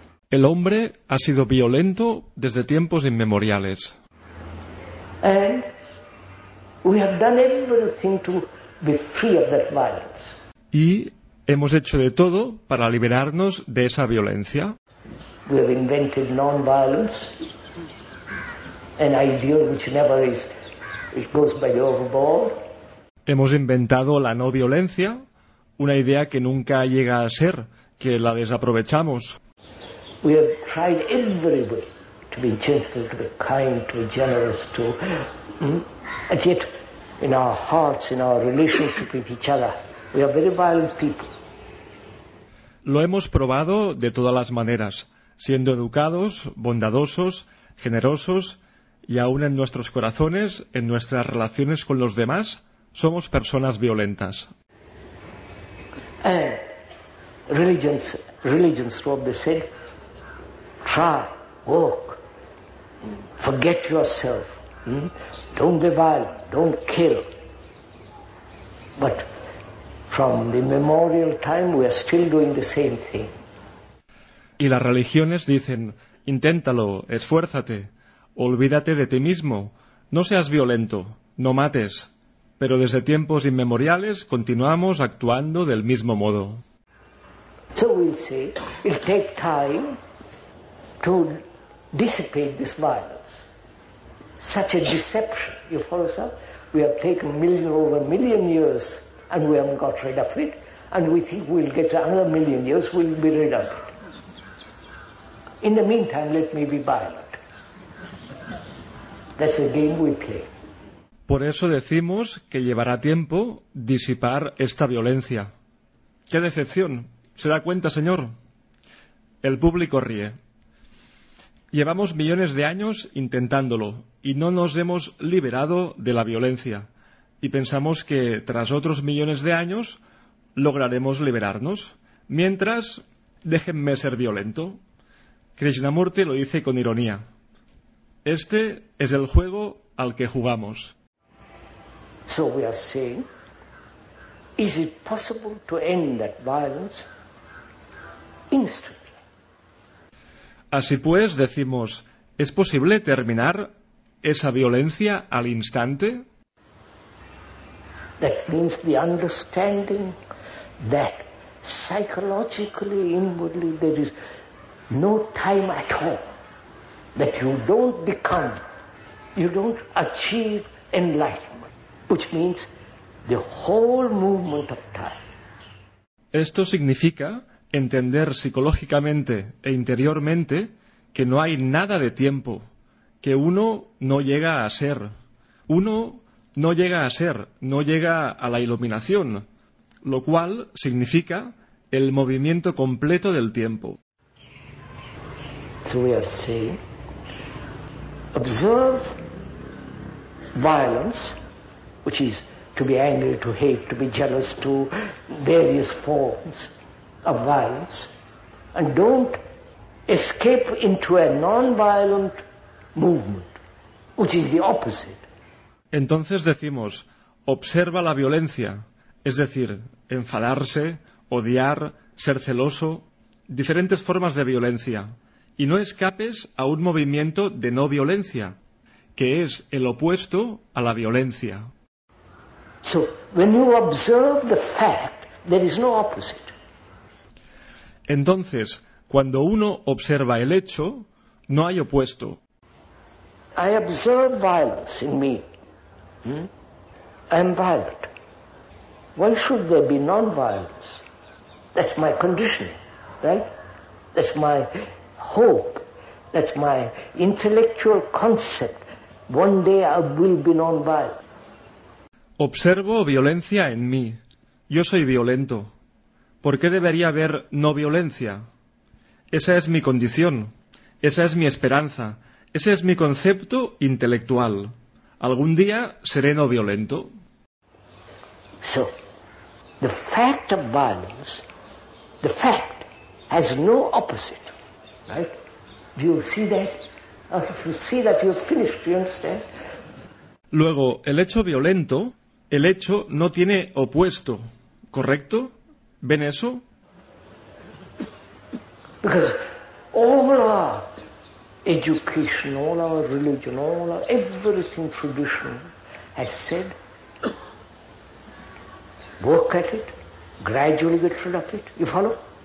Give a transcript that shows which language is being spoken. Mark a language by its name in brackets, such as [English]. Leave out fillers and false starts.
[Spanish] El hombre ha sido violento desde tiempos inmemoriales. [English] And we have done everything to be free of that violence. [Spanish] Y hemos hecho de todo para liberarnos de esa violencia. [English] We have invented non-violence, an idea which never is, it goes by overboard. [Spanish] Hemos inventado la no violencia, una idea que nunca llega a ser, que la desaprovechamos. [English] We have tried every way to be gentle, to be kind, to be generous, to and yet in our hearts, in our relationship with each other, we are very violent people. [Spanish] Lo hemos probado de todas las maneras, siendo educados, bondadosos, generosos, y aún en nuestros corazones, en nuestras relaciones con los demás, somos personas violentas. [English] Religions what they said. Try, walk, forget yourself, don't be violent, don't kill. But from the immemorial time we are still doing the same thing. [Spanish] Y las religiones dicen, inténtalo, esfuérzate, olvídate de ti mismo, no seas violento, no mates. Pero desde tiempos inmemoriales continuamos actuando del mismo modo. [English] So we'll see, it'll take time to dissipate this violence. Such a deception, you follow, sir? We have taken over a million years and we haven't got rid of it, and we think we'll get another million years, we'll be rid of it. In the meantime, let me be violent. That's the game we play. [Spanish] Por eso decimos que llevará tiempo disipar esta violencia. ¡Qué decepción! ¿Se da cuenta, señor? El público ríe. Llevamos millones de años intentándolo y no nos hemos liberado de la violencia. Y pensamos que tras otros millones de años lograremos liberarnos. Mientras, déjenme ser violento. Krishnamurti lo dice con ironía. Este es el juego al que jugamos. [English] So we are saying, is it possible to end that violence instantly? [Spanish] Así pues, decimos, ¿Es posible terminar esa violencia al instante? [English] That means the understanding that psychologically, inwardly, there is no time at all. That you don't become, you don't achieve enlightenment, which means the whole movement of time. [Spanish] Esto significa entender psicológicamente e interiormente que no hay nada de tiempo, que uno no llega a ser. Uno no llega a ser, no llega a la iluminación, lo cual significa el movimiento completo del tiempo. [English] So we are saying, observe violence, which is to be angry, to hate, to be jealous, to various forms of violence, and don't escape into a non-violent movement, which is the opposite. [Spanish] Entonces decimos, observa la violencia, es decir, enfadarse, odiar, ser celoso, diferentes formas de violencia, y no escapes a un movimiento de no violencia, que es el opuesto a la violencia. [English] So, when you observe the fact, there is no opposite. [Spanish] Entonces, cuando uno observa el hecho, no hay opuesto. [English] I observe violence in me. I am violent. Why should there be non-violence? That's my condition, right? That's my hope. That's my intellectual concept. One day I will be non-violent. [Spanish] Observo violencia en mí. Yo soy violento. ¿Por qué debería haber no violencia? Esa es mi condición. Esa es mi esperanza. Ese es mi concepto intelectual. Algún día seré no violento. [English] So, the fact of violence, the fact has no opposite, right? Do you see that? If you see that, you're finished, you understand? [Spanish] Luego, el hecho violento, el hecho no tiene opuesto, ¿correcto? ¿Ven eso? [English] Because all our education, all our religion, all our everything traditional has said, work at it, gradually get rid of it, you follow?